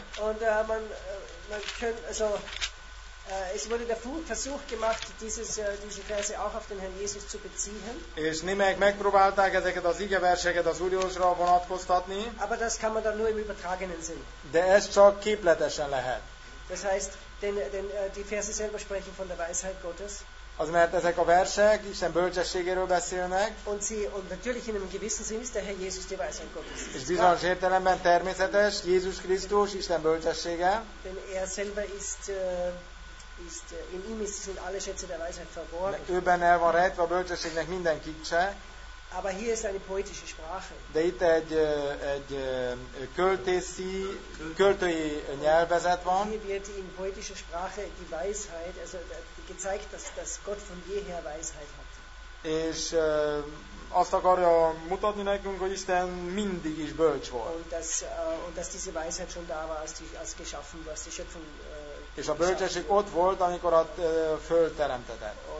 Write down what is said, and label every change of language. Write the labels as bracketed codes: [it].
[de] Und man könnte, also es wurde der Versuch gemacht, diese Verse auch auf den Herrn Jesus zu beziehen. [hu] És némelyek megpróbálták ezeket az igeverseket az Úr Jézusra vonatkoztatni. [de] Aber das kann man dann nur im übertragenen Sinn. [hu] De ez csak képletesen lehet. [de] Das heißt, denn die Verse selber sprechen von der Weisheit Gottes. [hu] Az mert ezek a versek Isten bölcsességéről beszélnek. [de] Und sie, und natürlich in einem gewissen Sinn ist der Herr Jesus die Weisheit Gottes. [hu] És bizonyos értelemben természetes Jézus Krisztus Isten bölcsessége. [de] Denn er selber ist in ihm sind alle Schätze der Weisheit verborgen. [hu] Ő benne el van rejtve a bölcsességnek minden kincse. [de] Aber hier ist eine poetische Sprache. [hu] De itt egy költészi, költői nyelvezet van. [de] Hier wird in poetischer Sprache die Weisheit, also gezeigt, dass Gott von jeher Weisheit hat. [hu] És azt akarja mutatni nekünk, hogy Isten mindig is bölcs volt. [de] Und dass diese Weisheit schon da war, als geschaffen, als die Schöpfung. [hu] És a bölcsesség ott volt, amikor a Föld teremtetett.